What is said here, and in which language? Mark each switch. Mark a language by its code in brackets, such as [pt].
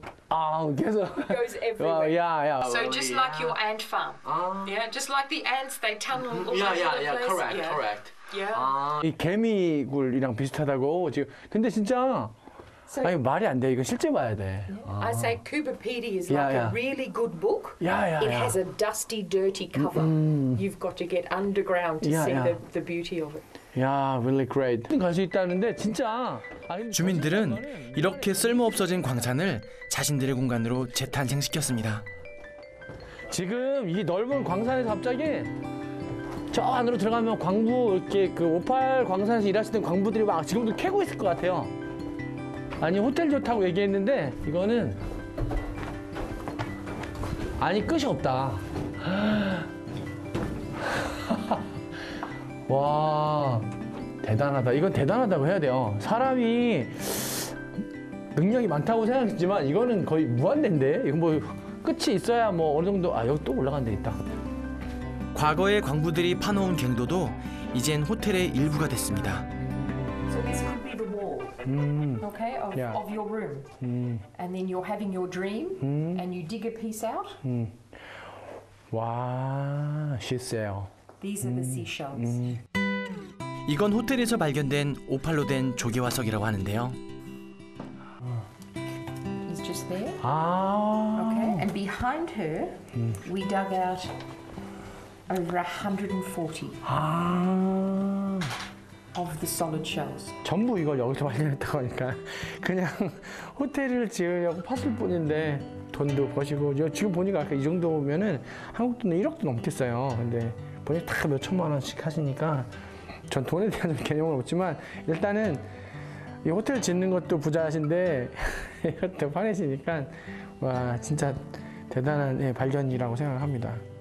[en] I think, and on the light, yeah. Oh, yeah. So just like your ant farm. Yeah, just like the ants, they tunnel all over the place. Correct. Yeah. [ko] 이 개미굴이랑 비슷하다고 지금. 근데 진짜. So, 아니 말이 안 돼. 이거 실제 봐야 돼. [en] I say Cooper Petey is a really good book. Yeah. It has a dusty, dirty cover. You've got to get underground to see the beauty of it. Yeah, really great. [ko] 갈 수 있다는데 진짜. 주민들은 이렇게 쓸모없어진 광산을 자신들의 공간으로 재탄생시켰습니다. 지금 이 넓은 광산에 갑자기 저 안으로 들어가면 광부 이렇게 그 58 광산에서 일하시던 광부들이 막 지금도 캐고 있을 것 같아요. 아니 호텔 좋다고 얘기했는데 이거는 아니 끝이 없다. 와 대단하다. 이건 대단하다고 해야 돼요. 사람이 능력이 많다고 생각했지만 이거는 거의 무한대인데 이거 뭐 끝이 있어야 뭐 어느 정도 아 여기 또 올라간 데 있다. 과거의 광부들이 파놓은 갱도도 이젠 호텔의 일부가 됐습니다. [en] So this could be the wall, okay, of your room. And then you're having your dream, and you dig a piece out. Wow, seashell. These are the seashells. [ko] 이건 호텔에서 발견된 오팔로 된 조개 화석이라고 하는데요. [en] He's just there. Ah. Okay. And behind her, we dug out over 140 of the solid shells. [ko] 전부 이걸 여기서 발견했다고 하니까 그냥 호텔을 지으려고 팠을 뿐인데 돈도 버시고 지금 보니까 이 정도면은 한국 돈은 1억도 넘겠어요. 근데 보니 다 몇 천만 원씩 하시니까. 전 돈에 대한 개념은 없지만 일단은 이 호텔 짓는 것도 부자신데 이것도 파내시니까 와 진짜 대단한 예, 발견이라고 생각합니다.